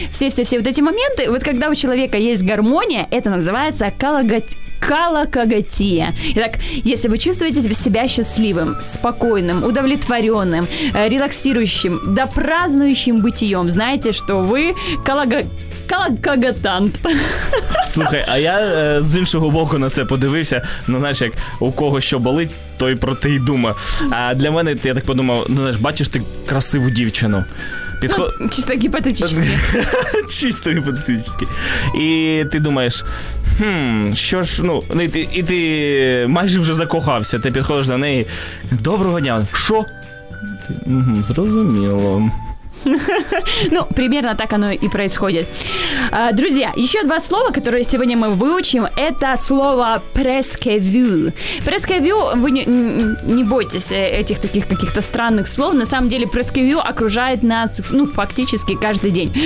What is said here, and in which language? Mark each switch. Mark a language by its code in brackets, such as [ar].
[ru] Все-все-все вот эти моменты. Вот когда у человека есть гармония, это называется калокагатия. Итак, если вы чувствуете себя счастливым, спокойным, удовлетворенным, релаксирующим, да празднующим бытием, знаете, что вы калокагатант. [uk] Слухай, а я з іншого боку на це подивився, ну, знаєш, як у кого що болить, той про те й думає. А для мене, я так подумав, ну, знаєш, бачиш ти красиву дівчину. Чисто гіпотетично. Чисто гіпотетично. І ти думаєш, що ж, ну, і ти майже вже закохався, ти підходиш до неї, доброго дня, що? Зрозуміло. [ru] Ну, примерно так оно и происходит. Друзья, еще два слова, которые сегодня мы выучим, это слово «presque vu». «Presque vu», вы не бойтесь этих таких каких-то странных слов, на самом деле «presque vu» окружает нас, ну, фактически каждый день.